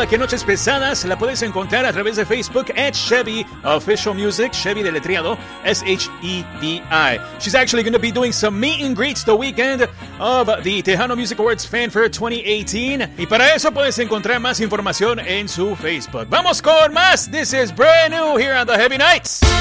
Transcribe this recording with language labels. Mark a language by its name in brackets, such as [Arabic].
[Spanish] Aquí Noches Pesadas la puedes encontrar a través de Facebook at Chevy Official Music. Chevy deletreado S-H-E-V-I. [English] She's actually going to be doing some meet and greets the weekend of the Tejano Music Awards Fan Fair 2018. [Spanish] Y para eso puedes encontrar más información en su Facebook. Vamos con más. [English] This is brand new here on the Heavy Nights.